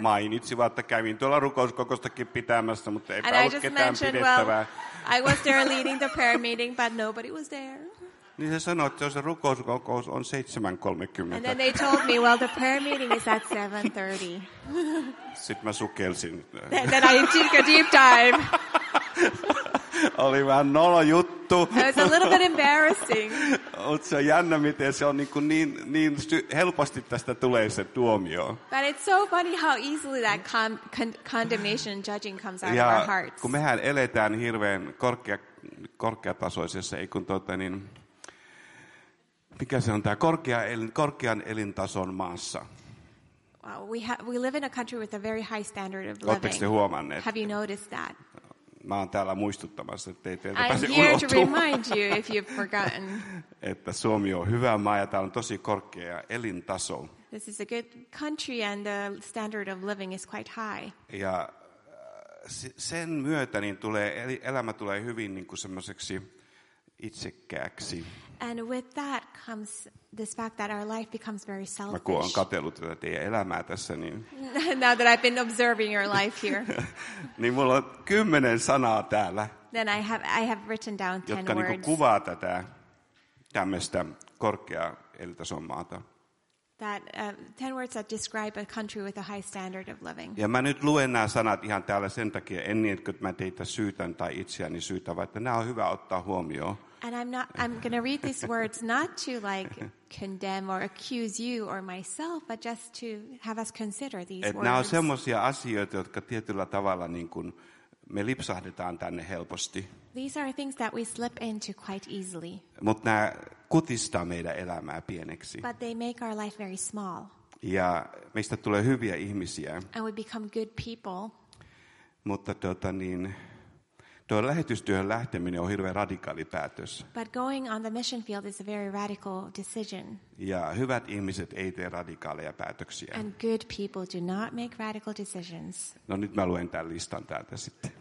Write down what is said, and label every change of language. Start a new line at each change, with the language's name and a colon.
Finnish: Mainitsivat, että kävin tuolla rukouskokoustakin pitämässä, mutta eipä ollut ketään pidettävää.
English: Well, I was there leading the prayer meeting, but nobody was there.
Finnish: Niin se sanoi, että se rukouskokous on 7:30.
English: And then they told me, well, the prayer meeting is at 7:30.
Finnish: Sitten mä sukelsin.
English: Then I took a deep dive.
Finnish: Oli vähän nolo juttu.
English: It was a little bit embarrassing.
Finnish: Mutta se on jännä, miten se on niin helposti tästä tulee se tuomio.
English: But it's so funny how easily that condemnation and judging comes out
Finnish: ja
English: of our hearts.
Finnish: Kun mehän eletään hirveän korkeatasoisessa, ei kun niin mikä se on tämä korkean elintason maassa?
English: Well, we live in a country with a very high standard of living.
Finnish: Oletteko te huomanneet?
English: Have you noticed that?
Finnish: Mä oon täällä muistuttamassa, ettei teiltä pääse unohtumaan.
English: I'm here to remind you if you've forgotten.
Finnish: Että Suomi on hyvä maa ja täällä on tosi korkea elintaso.
English: This is a good country and the standard of living is quite high.
Finnish: Ja sen myötä niin tulee elämä tulee hyvin niin kuin semmoiseksi itsekkääksi.
English: And with that comes this fact that our life becomes very selfish.
Finnish: Mä kun olen katsellut tätä teidän elämää tässä, niin
English: now that I've been observing your life here.
Finnish: Niin mulla on 10 sanaa täällä.
English: Then I have written down 10
Finnish: jotka
English: words.
Finnish: Jotka niinku kuvaa tätä tämmöistä korkeaa elintason maata.
English: That 10 words that describe a country with a high standard of living.
Finnish: Ja mä nyt luen nämä sanat ihan täällä sen takia, en niin, että mä teitä syytän tai itseäni syytän, vaan että nämä on hyvä ottaa huomioon.
English: And I'm going to read these words not to like condemn or accuse you or myself, but just to have us consider these words.
Finnish: Nämä on semmoisia asioita, jotka tietyllä tavalla niin kuin me lipsahdetaan tänne helposti.
English: These are things that we slip into quite easily.
Finnish: Mutta nämä kutistaa meidän elämää pieneksi.
English: But they make our life very small.
Finnish: Ja meistä tulee hyviä ihmisiä.
English: And we become good people.
Finnish: Mutta tuo lähetystyöhön lähteminen on hirveän radikaali päätös.
English: But going on the mission field is a very radical decision.
Finnish: Ja hyvät ihmiset ei tee radikaaleja päätöksiä.
English: And good people do not make radical decisions.
Finnish: No nyt mä luen tämän listan täältä sitten.